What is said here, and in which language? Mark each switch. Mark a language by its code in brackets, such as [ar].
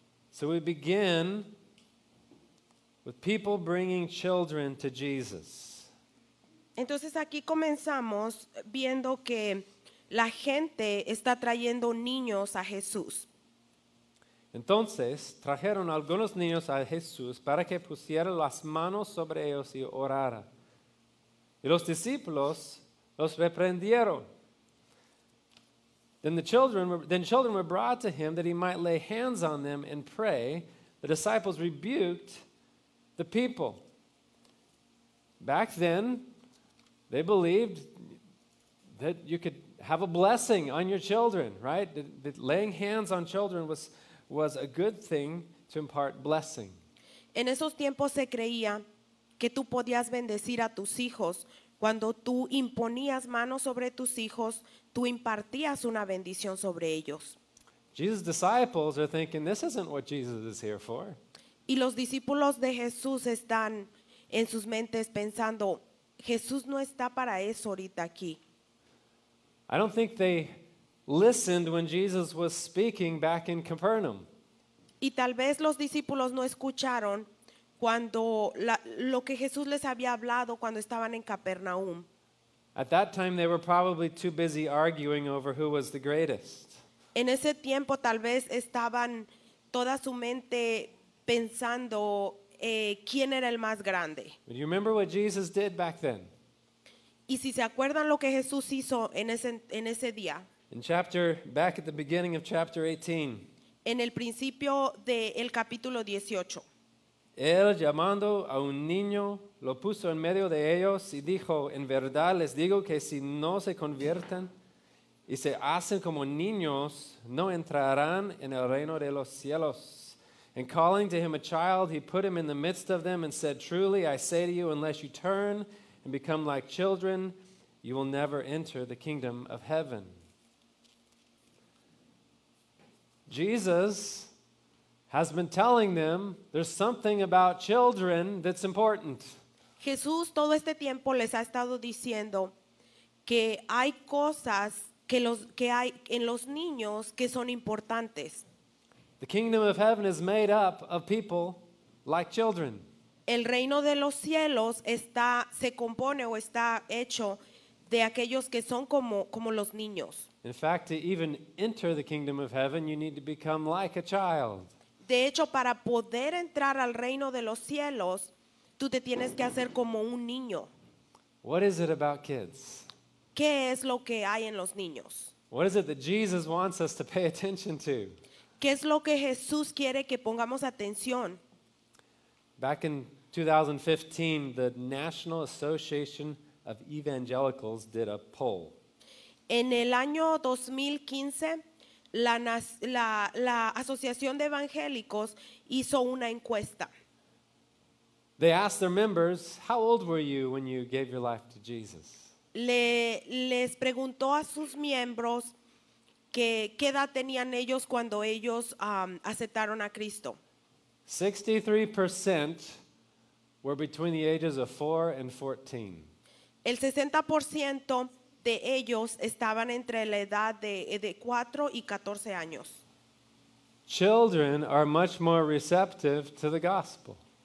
[en] So we begin with people bringing children to Jesus. [es] Entonces aquí comenzamos viendo que la gente está trayendo niños a Jesús. Entonces trajeron algunos niños a Jesús para que pusiera las manos sobre ellos y orara. Y los discípulos los reprendieron. [en] Then children were brought to him that he might lay hands on them and pray. The disciples rebuked the people. Back then, they believed that you could have a blessing on your children, right? That laying hands on children was a good thing to impart blessing. [es] En esos tiempos se creía que tú podías bendecir a tus hijos. Cuando tú imponías manos sobre tus hijos, tú impartías una bendición sobre ellos. [en] Jesus' disciples are thinking, this isn't what Jesus is here for. [es] Y los discípulos de Jesús están en sus mentes pensando, Jesús no está para eso ahorita aquí. [en] I don't think they listened when Jesus was speaking back in Capernaum. [es] Y tal vez los discípulos no escucharon cuando lo que Jesús les había hablado cuando estaban en Capernaum. [en] At that time they were probably too busy arguing over who was the greatest. [es] En ese tiempo tal vez estaban toda su mente pensando quién era el más grande. [en] Do you remember what Jesus did back then? [es] Y si se acuerdan lo que Jesús hizo en ese día. [en] Back at the beginning of chapter 18. [es] En el principio del capítulo 18. Él, llamando a un niño, lo puso en medio de ellos y dijo, en verdad les digo que si no se convierten y se hacen como niños, no entrarán en el reino de los cielos. [en] And calling to him a child, he put him in the midst of them and said, truly I say to you, unless you turn and become like children, you will never enter the kingdom of heaven. Jesus has been telling them there's something about children that's important. [es] Jesús todo este tiempo les ha estado diciendo que hay cosas que hay en los niños que son importantes. [en] The kingdom of heaven is made up of people like children. [es] El reino de los cielos se compone o está hecho de aquellos que son como los niños. [en] In fact, to even enter the kingdom of heaven, you need to become like a child. [es] De hecho, para poder entrar al reino de los cielos, tú te tienes que hacer como un niño. [en] What is it about kids? [es] ¿Qué es lo que hay en los niños? [en] What is it that Jesus wants us to pay attention to? [es] ¿Qué es lo que Jesús quiere que pongamos atención? [en] Back in 2015, the National Association of Evangelicals did a poll. [es] En el año 2015, La Asociación de Evangélicos hizo una encuesta. [en] They asked their members, how old were you when you gave your life to Jesus? [es] Les preguntó a sus miembros qué edad tenían ellos cuando ellos aceptaron a Cristo. [en] 63% were between the ages of 4 and 14. [es] El 60% de ellos estaban entre la edad de 4 y 14 años. [en] Children are much more receptive to the gospel.